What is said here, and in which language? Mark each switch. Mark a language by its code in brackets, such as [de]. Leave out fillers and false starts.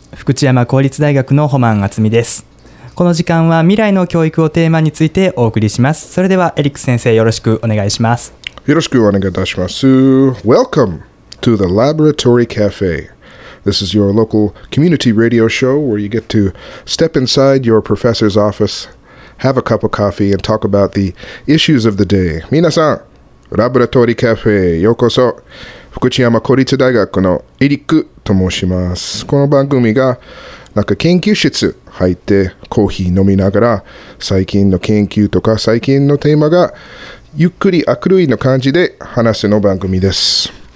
[ja] 福知山公立大学の穂満厚美です。この時間は未来の教育をテーマについてお送りします。それではエリック先生よろしくお願いします。よろしくお願いいたします。 [en] Welcome to the Laboratory Cafe. This is your local community radio show where you get to step inside your professor's office, have a cup of coffee and talk about the issues of the day. [ja] 皆さん、ラブラトリーカフェようこそ。福知山公立大学のエリックと申します。この番組がなんか研究室入ってコーヒー飲みながら最近の研究とか最近のテーマがゆっくり明るいの感じで話すの番組です。